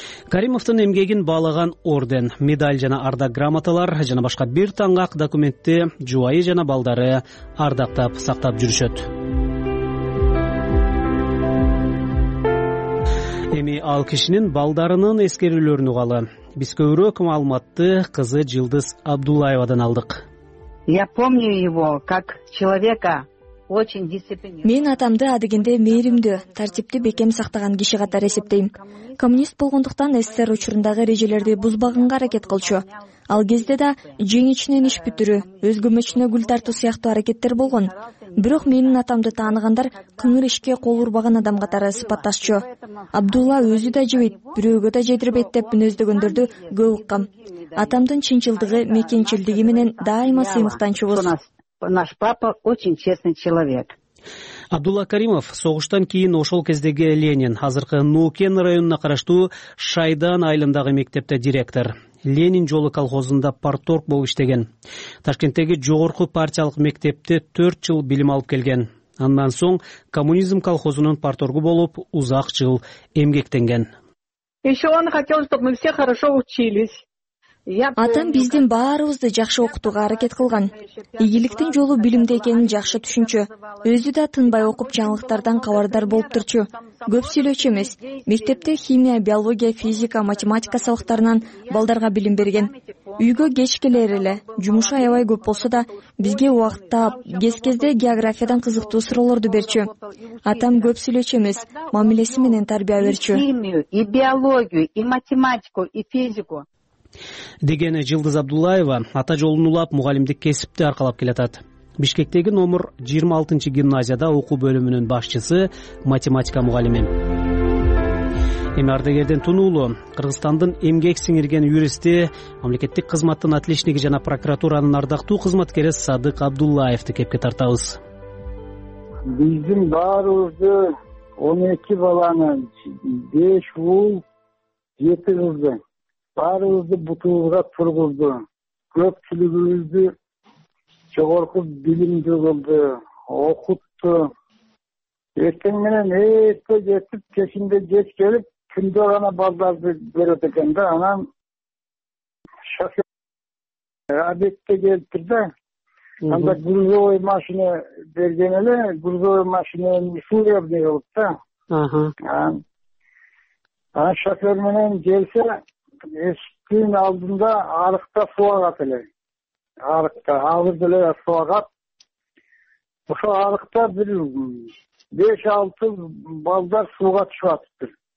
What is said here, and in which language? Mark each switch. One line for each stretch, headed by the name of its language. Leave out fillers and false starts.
Kyrgyz: Каримовтун эмгегин баалаган орден, медаль жана ардак грамоталар жана башка бир таңгак документти жубайы жана балдары ардактап сактап жүрүшөт. Эми ал кишинин балдарынын эскерүүлөрүн угалы. Биз көбүрөөк маалыматты кызы Жылдыз Абдуллаевадан алдык.
Russian: Я помню его как человека.
Kyrgyz: Мен атамды адегенде мээримдүү, тартипти бекем сактаган киши катары эсептейм. Коммунист болгондуктан СССР учурундагы эрежелерди бузбаганга аракет кылчу. Ал кезде да жеңичинен иш бүтүрүү, өз көмөчүнө гүл тартуу сыяктуу аракеттер болгон. Бирок менин атамды таанагандар кыңыр ишке кол урбаган адам катары сыпатташчу. Абдулла өзү да жебейт, бирөөгө да жедирбейт деп мүнөздөгөндөрдү көп уккам. Атамдын чынчылдыгы, мекенчилдиги менен дайыма сыймыктанчубуз.
Russian: Наш папа очень честный человек.
Kyrgyz: Абдулла Каримов согуштан кийин ошол кездеги Ленин, азыркы Нукен районуна караштуу Шайдан айылындагы мектепте директор. Ленин жолу колхозунда парторг болуп иштеген. Ташкенттеги жогорку партиялык мектепте 4 жыл билим алып келген. Андан соң коммунизм колхозунун парторгу болуп узак жыл эмгектенген.
Russian: Еще он хотел, чтобы мы все хорошо учились.
Kyrgyz: Атам биздин баарыбызды жакшы окутууга аракет кылган. Ийгиликтин жолу билимде экенин жакшы түшүнчү. Өзү да тынбай окуп жаңылыктардан кабардар болуп турчу. Көп сүйлөчү эмес. Мектепте химия, биология, физика, математика сабактарынан балдарга билим берген. Үйгө кеч келер эле, жумушу аябай көп болсо да, бизге убакыт таап, кез-кезде географиядан кызыктуу суроолорду берчү. Атам көп сүйлөчү эмес, мамилеси менен тарбия берчү.
Russian: И биологию, и математику, и физику.
Kyrgyz: Деген Жылдыз Абдуллаева ата жолун улап мугалимдик кесипти аркалап келатат. Бишкектеги номер 26 гимназияда окуу бөлүмүнүн башчысы, математика мугалими. Эми ардагерден тунуулу Кыргызстандын эмгек сиңирген юристи, мамлекеттик кызматтын отличниги жана прокуратуранын ардактуу кызматкери Садык Абдуллаевди кепке тартабыз. Биздин баарыбызды 12 баланын 5 уул 7 кызды баарыбызды бутубузга тургузду. Көпчүлүгүбүздү жогорку билимдүү кылды, окутту. Эртең менен эртө жетип, кечинде кеч келип, түндө гана балдарды берет экен да, анан шофер обедке келиптир да. Анда грузовой машина берген эле, грузовой машина эмне кылып да. Анан шофер менен келсе эшиктин алдында арыкта суу агат эле. Арыкта агыр деле суу агат. Ошол арыкта бир 5-6 балдар сууга түшүп атыптыр.